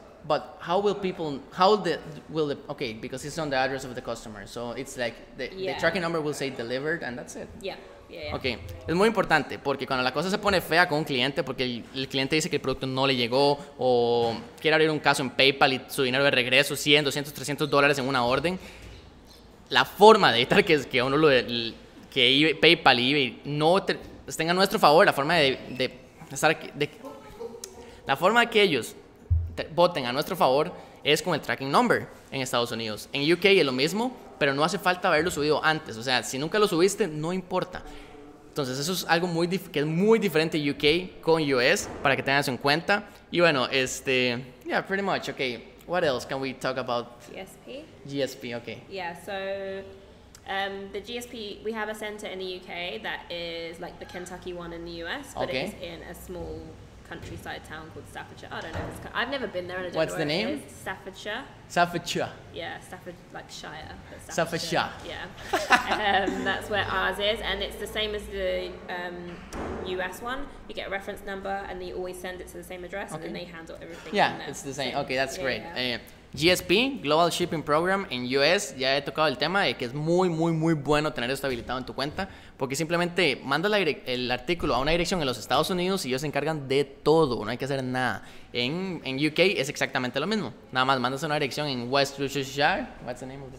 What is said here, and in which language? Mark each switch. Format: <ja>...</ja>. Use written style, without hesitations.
<en>But how will people, okay, because it's on the address of the customer. So it's like the tracking number will say delivered and that's it. Yeah.</en> <es>Okay, es muy importante porque cuando la cosa se pone fea con un cliente, porque el cliente dice que el producto no le llegó o quiere abrir un caso en PayPal y su dinero de regreso, 100, 200, $300 en una orden, la forma de evitar que PayPal y eBay no estén a nuestro favor, la forma que ellos voten a nuestro favor es con el tracking number en Estados Unidos. En UK es lo mismo, pero no hace falta haberlo subido antes. O sea, si nunca lo subiste, no importa. Entonces, eso es algo que es muy diferente UK con US, para que tengas en cuenta. Y bueno,</es> <en>pretty much, okay. What else can we talk about? GSP. GSP, okay. Yeah, so the GSP, we have a center in the UK that is like the Kentucky one in the US, but okay. It's in a small countryside town called Staffordshire. I don't know. I've never been there. What's the name? Staffordshire. Staffordshire. Yeah, Staffordshire, like Shire. Staffordshire. Yeah. that's where ours is. And it's the same as the US one. You get a reference number and then you always send it to the same address okay. And then they handle everything. Yeah, it's the same. Okay, that's great. Yeah.</en> <es>GSP, Global Shipping Program, en US, ya he tocado el tema de que es muy, muy, muy bueno tener esto habilitado en tu cuenta, porque simplemente manda el artículo a una dirección en los Estados Unidos y ellos se encargan de todo, no hay que hacer nada. En UK es exactamente lo mismo, nada más mandas una dirección en Worcestershire,</es> <en>what's the name of the</en>